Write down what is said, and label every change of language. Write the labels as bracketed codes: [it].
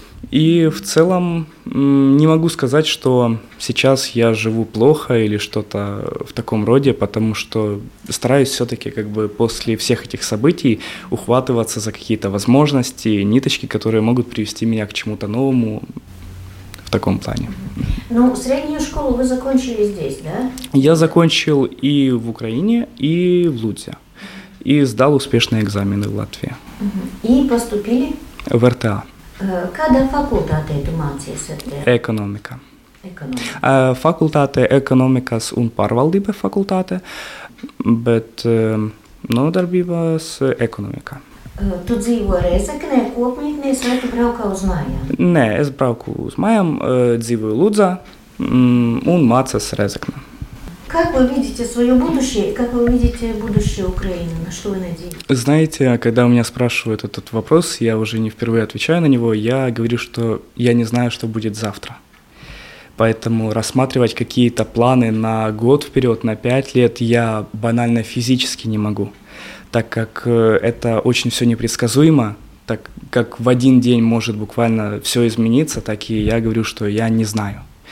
[ru] И в целом не могу сказать, что сейчас я живу плохо или что-то в таком роде, потому что стараюсь все-таки как бы после всех этих событий ухватываться за какие-то возможности, ниточки, которые могут привести меня к чему-то новому в таком плане. Ну, среднюю школу вы закончили здесь, да? Я закончил и в Украине, и в Лудзе. И сдал успешные экзамены в Латвии. И поступили? В РТА. [lv] Kādā fakultātē tu mācies ar te? Ekonomika. Ekonomika. Fakultātē ekonomikas un pārvaldība fakultātē, bet nodarbības ekonomika. Tu dzīvo Rēzeknē, kopmītnēs, vai tu braukā uz mājām? Nē, es braukā uz mājām, dzīvoju Lūdzā un mācās Rēzeknē. [ru] Как вы видите свое будущее? Как вы видите будущее Украины? На что вы надеетесь? Знаете, когда у меня спрашивают этот вопрос, я уже не впервые отвечаю на него, я говорю, что я не знаю, что будет завтра. Поэтому рассматривать какие-то планы на год вперед, на 5 лет, я банально физически не могу, так как это очень все непредсказуемо, так как в один день может буквально все измениться, так и я говорю, что я не знаю.